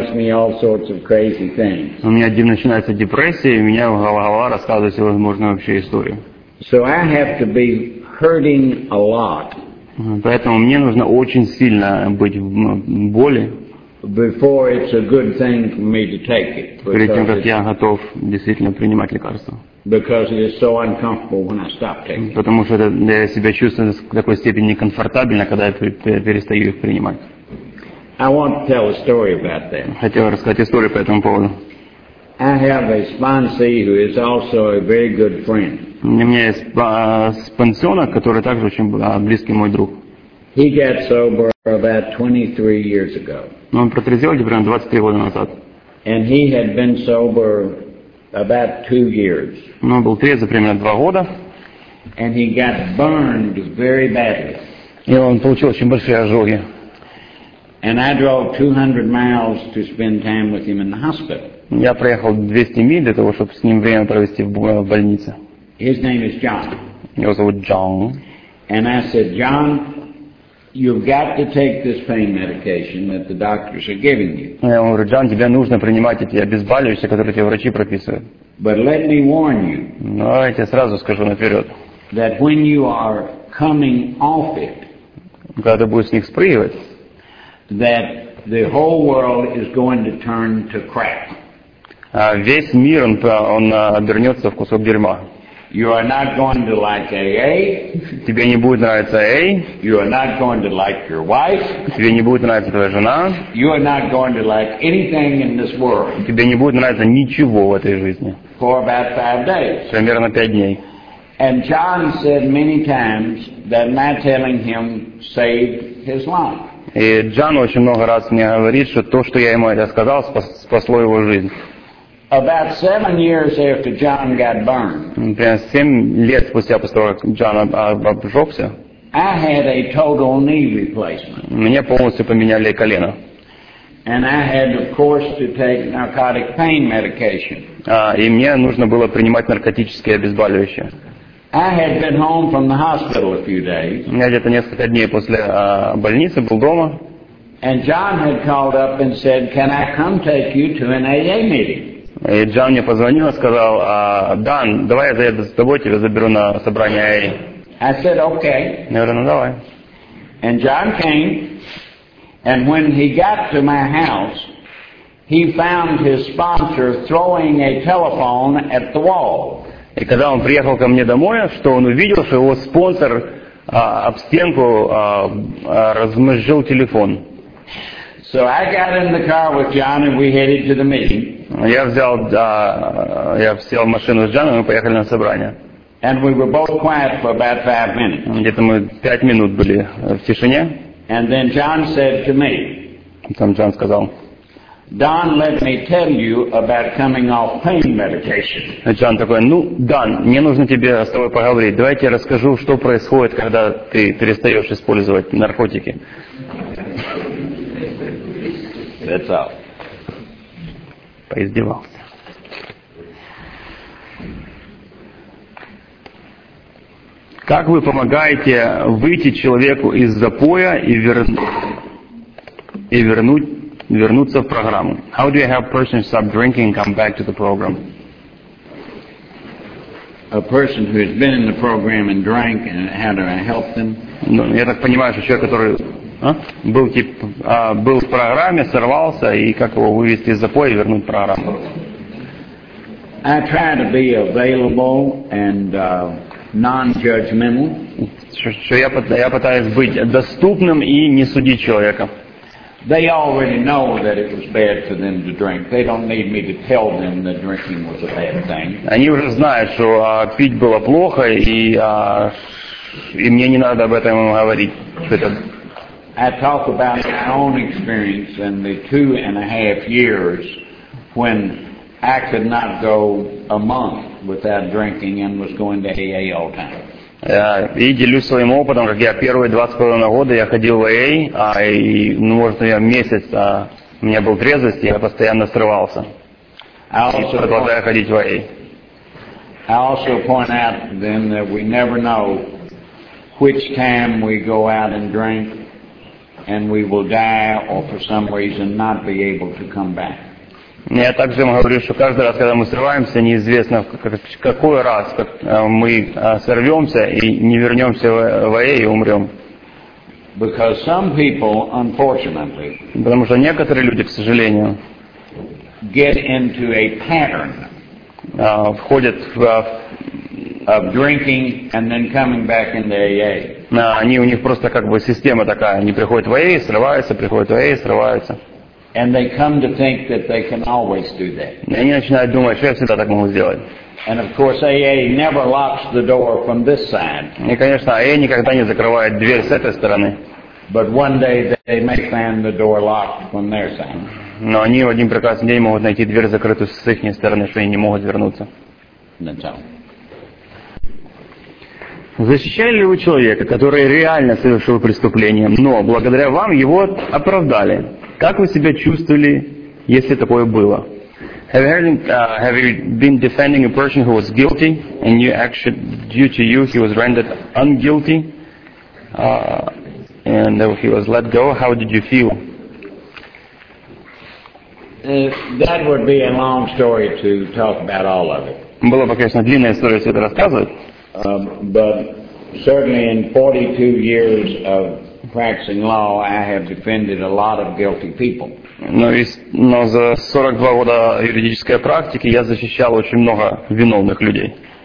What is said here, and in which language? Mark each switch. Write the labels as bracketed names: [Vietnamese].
[Russian] У меня начинается депрессия, и у меня голова рассказывает всевозможные вообще истории. [English] So I have to be hurting a lot. [Russian] Поэтому мне нужно очень сильно быть в боли. [English] Before it's a good thing for me to take it. [Russian] Перед тем, как я готов действительно принимать лекарства. [English] Because it is so uncomfortable when I stop taking. [Russian] Потому что я себя чувствую в такой степени некомфортабельно, когда я перестаю их принимать. [English] I want to tell a story about that. [Russian] Хотел рассказать историю по этому поводу. [English] I have a sponsee who is also a very good friend. [Russian] У меня есть спонсёнок, который также очень близкий мой друг. [English] He got sober about 23 years ago. [Russian] Он протрезвел где-то 23 года назад. [English] And he had been sober about 2 years. [Russian] Он был трезв примерно 2 года. [English] And he got burned very badly. [Russian] И он получил очень большие ожоги. [English] And I drove 200 miles to spend time with him in the hospital. [Russian] Я проехал 200 миль для того, чтобы с ним время провести в больнице. [English] His name is John. [Russian] Его зовут Джон. [English] And I said, John, you've got to take this pain medication that the doctors are giving you. [Russian] Я говорю, Джон, тебе нужно принимать эти обезболивающие, которые тебе врачи прописывают. [English] But let me warn you. [Russian] Но я тебе сразу скажу наперед. [English] That when you are coming off it. [Russian] Когда ты будешь с них спрыгивать. [English] That the whole world is going to turn to crap. [Russian] Весь мир, он обернется в кусок дерьма. [English] You are not going to like AA. [Russian] Тебе не будет нравиться AA. [English] You are not going to like your wife. [Russian] Тебе не будет нравиться твоя жена. [English] You are not going to like anything in this world. [Russian] Тебе не будет нравиться ничего в этой жизни. [English] For about 5 days. [Russian] Примерно 5 дней. [English] And John said many times that my telling him saved his life. [Russian] И Джон очень много раз мне говорит, что то, что я ему это сказал, спасло его жизнь. [English] About 7 years after John got burned. [Russian] Примерно 7 лет спустя после того, как Джон обжегся. [English] I had a total knee replacement. [Russian] Мне полностью поменяли колено. [English] And I had, of course, to take narcotic pain medication. [Russian] И мне нужно было принимать наркотические обезболивающие. [English] I had been home from the hospital a few days. [Russian] У меня где-то несколько дней после больницы был дома. [English] And John had called up and said, "Can I come take you to an AA meeting?" [Russian] И Джон мне позвонил и сказал, Дан, давай я заеду за тобой, тебя заберу на собрание AA. [English] I said, okay. [Russian] Я говорю, ну давай. [English] And John came, and when he got to my house, he found his sponsor throwing a telephone at the wall. [Russian] И когда он приехал ко мне домой, что он увидел, что его спонсор об стенку размозжил телефон. [English] So I got in the car with John and we headed to the meeting. [Russian] Я сел в машину с Джоном, мы поехали на собрание. [English] And we were both quiet for about 5 minutes. [Russian] Где-то мы 5 минут были в тишине. [English] And then John said to me. [Russian] Там Джон сказал. [English] Don, let me tell you about coming off pain medication. [Russian] Джон такой, ну, Дан, мне нужно тебе с тобой поговорить. Давайте я расскажу, что происходит, когда ты перестаешь использовать наркотики. [English] That's all. [Russian] Поиздевался. Как вы помогаете выйти человеку из запоя и вернуться в программу? [English] How do you help a person stop drinking and come back to the program? A person who has been in the program and drank, and how do I help them? [Russian] Ну, я так понимаю, что человек, который был в программе, сорвался, и как его вывести из запоя и вернуть в программу? [English] I try to be available and non-judgmental. [Russian] Я пытаюсь быть доступным и не судить человека. [English] They already know that it was bad for them to drink. They don't need me to tell them that drinking was a bad thing. [Russian] Они уже знают, что пить было плохо, и мне не надо об этом говорить, что это... [English] I talk about my own experience in the 2.5 years when I could not go a month without drinking and was going to AA all the time. [Russian] И делюсь своим опытом, как я первые 2.5 года я ходил в AA, месяц у меня был трезвость, я постоянно срывался. Продолжаю ходить в AA. [English] I also point out then that we never know which time we go out and drink. And we will die, or for some reason, not be able to come back. [Russian] Я также ему говорю, что каждый раз, когда мы срываемся, неизвестно какой раз мы сорвемся и не вернемся в АА и умрем. [English] Because some people, unfortunately, [Russian] потому что некоторые люди, к сожалению, [English] get into a pattern. [Russian] Входят в [English] drinking and then coming back into AA. [Russian] Они у них просто как бы система такая. Они приходят в АА, срываются, приходят в АА, срываются. [English] And they come to think that they can always do that. [Russian] Они начинают думать, что я всегда так могу сделать. [English] And of course, AA never locks the door from this side. [Russian] И, конечно, AA никогда не закрывает дверь с этой стороны. [English] But one day they may find the door locked from their side. [Russian] Но они в один прекрасный день могут найти дверь закрытую с их стороны, что они не могут вернуться. Защищали ли вы человека, который реально совершил преступление, но благодаря вам его оправдали? Как вы себя чувствовали, если такое было? [English] Have you been defending a person who was guilty, and you actually, due to you, he was rendered unguilty, and he was let go? How did you feel? That would be a long story to talk about all of it. [Russian] Было бы, конечно, длинная история, если это рассказывать. [English] But certainly in 42 years of practicing law, I have defended a lot of guilty people. [Russian] Но за 42 года юридической практики я защищал очень много виновных людей.